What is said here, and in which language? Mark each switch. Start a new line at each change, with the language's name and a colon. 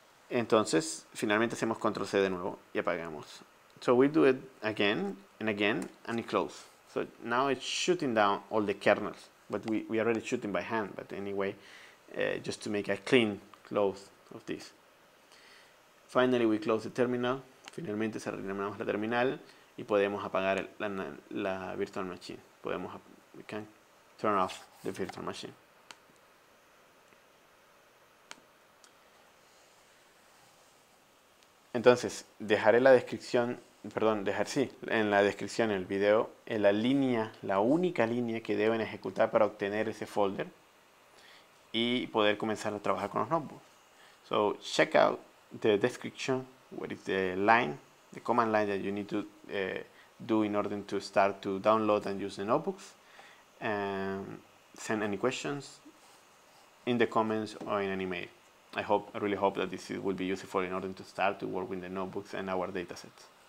Spanish: Entonces, finalmente hacemos control C de nuevo y apagamos.
English: So we do it again and it closes. So now it's shooting down all the kernels, but we are already shooting by hand. But anyway, just to make a clean close of this. Finally, we close the terminal.
Spanish: Finalmente cerramos la terminal y podemos apagar la virtual machine.
English: We can turn off the virtual machine.
Spanish: Entonces, dejaré la descripción. Perdón, dejar sí, en la descripción, en el video, en la línea, la única línea que deben ejecutar para obtener ese folder y poder comenzar a trabajar con los notebooks.
English: So, check out the description, what is the line, the command line that you need to do in order to start to download and use the notebooks. And send any questions in the comments or in an email. I really hope that this will be useful in order to start to work with the notebooks and our datasets.